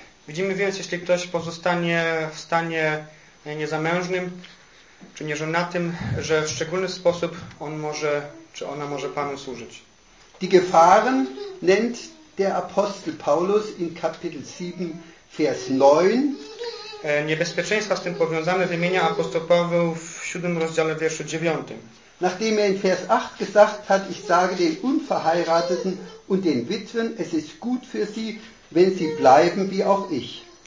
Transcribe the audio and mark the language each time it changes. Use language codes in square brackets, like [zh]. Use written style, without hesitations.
[pl] Widzimy więc, jeśli ktoś pozostanie w stanie niezamężnym czy nieżonatym, że w szczególny sposób on może, czy ona może Panu służyć. [de] Die Gefahren nennt der Apostel Paulus in Kapitel 7, Vers 9. [pl] Niebezpieczeństwa z tym powiązane wymienia apostoł Paweł w 7 rozdziale wierszu 9. [de] Nachdem er in Vers 8 gesagt hat, ich sage den Unverheirateten und den Witwen, es ist gut für sie, wenn sie bleiben, wie auch ich.